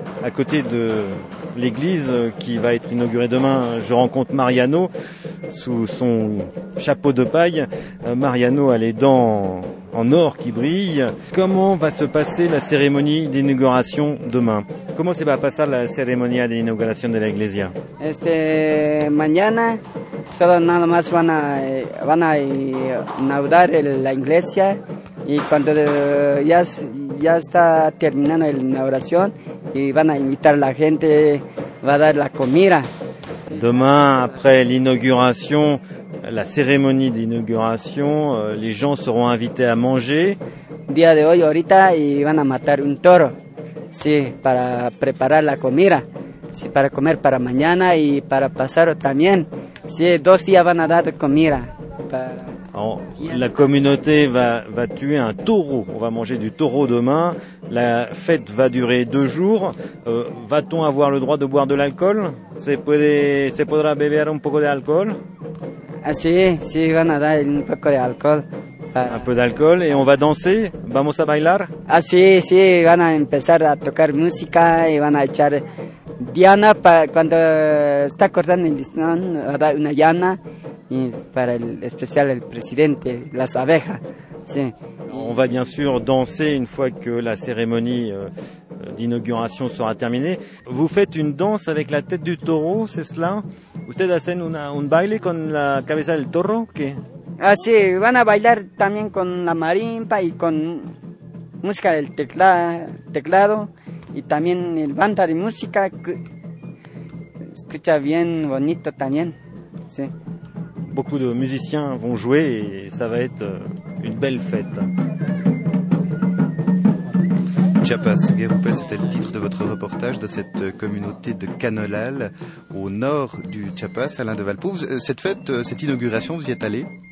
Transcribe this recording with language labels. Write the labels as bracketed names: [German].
[French] À côté de l'église qui va être inaugurée demain, je rencontre Mariano sous son chapeau de paille. Mariano a les dents en or qui brillent. Comment va se passer la cérémonie d'inauguration demain? Comment se va passer la cérémonie d'inauguration de l'église? [Spanish] Mañana, solo nada más van a inaugurar la iglesia. Y cuando ya está terminando la inauguración y van a invitar a la gente, va a dar la comida. [French] Demain, après l'inauguration, la cérémonie d'inauguration, les gens seront invités à manger. [Spanish] Día de hoy, ahorita, y van a matar un toro, sí, para preparar la comida, sí, para comer para mañana y para pasar también. Sí, dos días van a dar comida. [French] Alors, la communauté va tuer un taureau, on va manger du taureau demain, la fête va durer deux jours, va-t-on avoir le droit de boire de l'alcool? [Spanish] Se podrá beber un poco de alcohol? Ah si, si, van a dar un poco de alcohol. [French] Un peu d'alcool et on va danser? [Spanish] Vamos a bailar? Ah si, si, van a empezar a tocar música y van a echar diana, cuando está cortando el listón, va a dar una llana. [French] Et pour l'especial, le président, las abejas. [Spanish] Sí. [French] On va bien sûr danser une fois que la cérémonie d'inauguration sera terminée. Vous faites une danse avec la tête du taureau, c'est cela? [Spanish] Ustedes hacen un baile con la cabeza del toro? ¿Qué? Ah, sí, van a bailar también con la marimba y con música del teclado y también el banda de música. Escucha bien bonito también. Sí. [French] Beaucoup de musiciens vont jouer et ça va être une belle fête. Chiapas Guerupé, c'était le titre de votre reportage de cette communauté de Canolal au nord du Chiapas, Alain de Valpo. Cette fête, cette inauguration, vous y êtes allé?